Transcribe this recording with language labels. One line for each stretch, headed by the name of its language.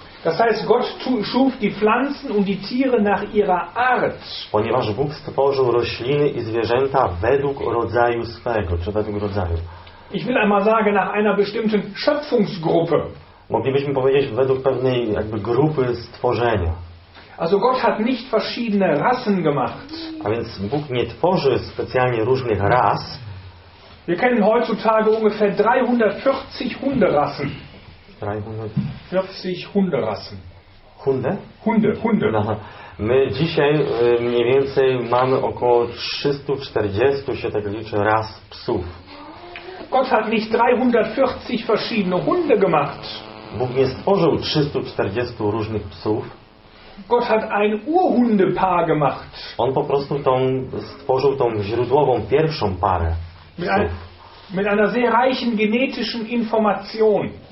German: Das heißt, Gott schuf die Pflanzen und die Tiere nach ihrer Art.
Polish: Ponieważ Bóg stworzył rośliny i zwierzęta według rodzaju swego, czy według rodzaju.
German: Ich will einmal sagen, nach einer bestimmten Schöpfungsgruppe.
Polish: Moglibyśmy powiedzieć według pewnej jakby grupy stworzenia.
German: Also Gott hat nicht verschiedene Rassen gemacht.
Polish: A więc Bóg nie tworzy specjalnie różnych ras.
German: Wir kennen heutzutage ungefähr 340 Hunderassen. 340 Hunderassen. Hunde? Hunde. Aha.
Polish: My dzisiaj mniej więcej mamy około 340, się tak liczy, ras psów.
German: Gott hat nicht 340 verschiedene Hunde gemacht.
Polish: Bóg nie stworzył 340 różnych psów.
German: Gott hat ein Urhundepaar gemacht.
Polish: On po prostu stworzył tą źródłową pierwszą parę psów.
German: Mit einer sehr reichen genetischen Information.